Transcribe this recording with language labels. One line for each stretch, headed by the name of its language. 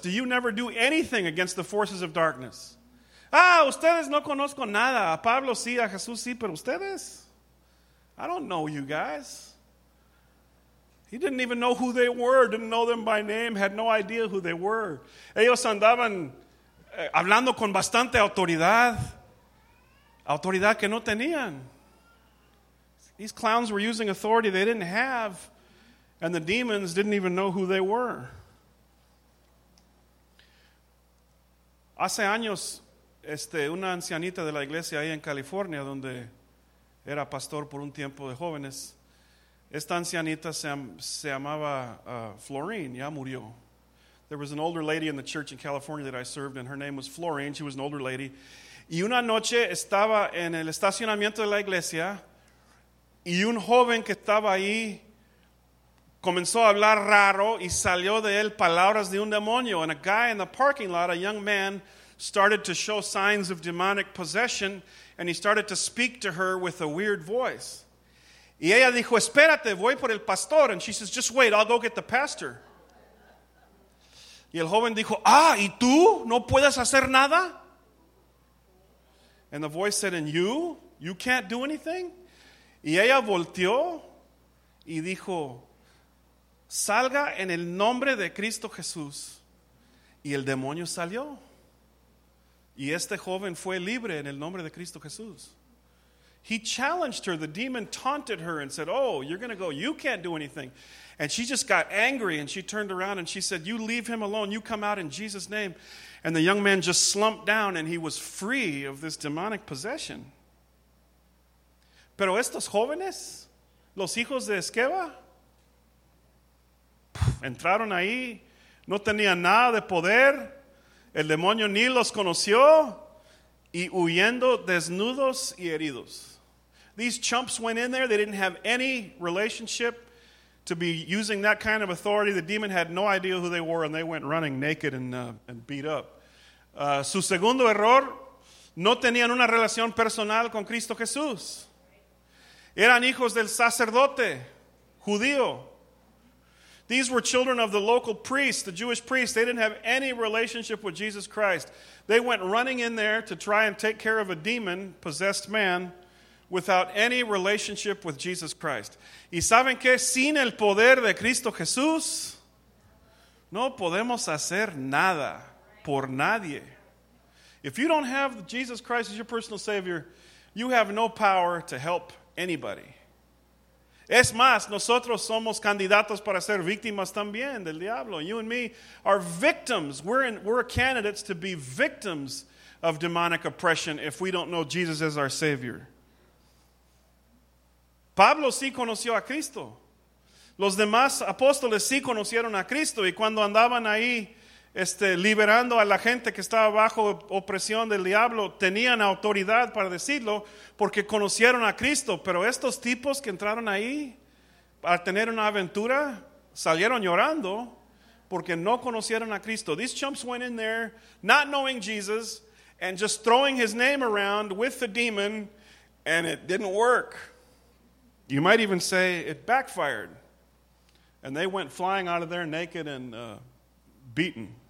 English: Do you never do anything against the forces of darkness?
Spanish: Ah, ustedes no conozco nada. A Pablo sí, a Jesús sí, pero ustedes?
English: I don't know you guys. He didn't even know who they were, didn't know them by name, had no idea who they were.
Spanish: Ellos andaban hablando con bastante autoridad, autoridad que no tenían.
English: These clowns were using authority they didn't have, and the demons didn't even know who they were.
Spanish: Hace años, una ancianita de la iglesia ahí en California, donde era pastor por un tiempo de jóvenes, esta ancianita se llamaba Florine, ya murió.
English: There was an older lady in the church in California that I served, and her name was Florine. She was an older lady.
Spanish: Y una noche estaba en el estacionamiento de la iglesia, y un joven que estaba ahí comenzó a hablar raro, y salió de él palabras de un demonio.
English: And a guy in the parking lot, a young man, started to show signs of demonic possession, and he started to speak to her with a weird voice.
Spanish: Y ella dijo, espérate, voy por el pastor.
English: And she says, just wait, I'll go get the pastor.
Spanish: Y el joven dijo, ah, ¿y tú? ¿No puedes hacer nada?
English: And the voice said, and you? You can't do anything?
Spanish: Y ella volteó y dijo, salga en el nombre de Cristo Jesús. Y el demonio salió. Y este joven fue libre en el nombre de Cristo Jesús.
English: He challenged her. The demon taunted her and said, oh, you're going to go. You can't do anything. And she just got angry, and she turned around and she said, you leave him alone. You come out in Jesus' name. And the young man just slumped down, and he was free of this demonic possession.
Spanish: Pero estos jóvenes, los hijos de Esqueba, entraron ahí. No tenían nada de poder. El demonio ni los conoció. Y huyendo desnudos y heridos.
English: These chumps went in there. They didn't have any relationship to be using that kind of authority. The demon had no idea who they were, and they went running naked and beat up.
Spanish: Su segundo error, no tenían una relación personal con Cristo Jesús. Eran hijos del sacerdote judío.
English: These were children of the local priest, the Jewish priest. They didn't have any relationship with Jesus Christ. They went running in there to try and take care of a demon-possessed man without any relationship with Jesus Christ.
Spanish: ¿Y saben qué? Sin el poder de Cristo Jesús, no podemos hacer nada por nadie.
English: If you don't have Jesus Christ as your personal Savior, you have no power to help anybody.
Spanish: Es más, nosotros somos candidatos para ser víctimas también del diablo.
English: You and me are victims. We're candidates to be victims of demonic oppression if we don't know Jesus as our Savior.
Spanish: Pablo sí conoció a Cristo. Los demás apóstoles sí conocieron a Cristo. Y cuando andaban ahí liberando a la gente que estaba bajo opresión del diablo, tenían autoridad para decirlo porque conocieron a Cristo. Pero estos tipos que entraron ahí para tener una aventura salieron llorando porque no conocieron a Cristo.
English: These chumps went in there not knowing Jesus and just throwing his name around with the demon, and it didn't work. You might even say it backfired. And they went flying out of there naked and beaten.